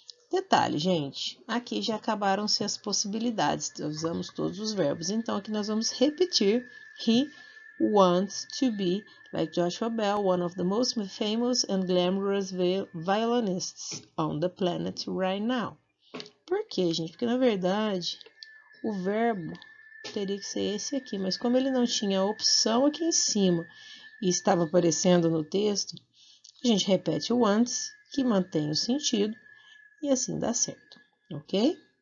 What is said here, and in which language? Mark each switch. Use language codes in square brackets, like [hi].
[pt] Detalhe, gente, aqui já acabaram-se as possibilidades. Usamos todos os verbos, então aqui nós vamos repetir. [en] He wants to be like Joshua Bell, one of the most famous and glamorous violinists on the planet right now. [pt] Por quê, gente? Porque na verdade o verbo teria que ser esse aqui, mas como ele não tinha opção aqui em cima e estava aparecendo no texto, a gente repete o antes, que mantém o sentido, e assim dá certo, ok?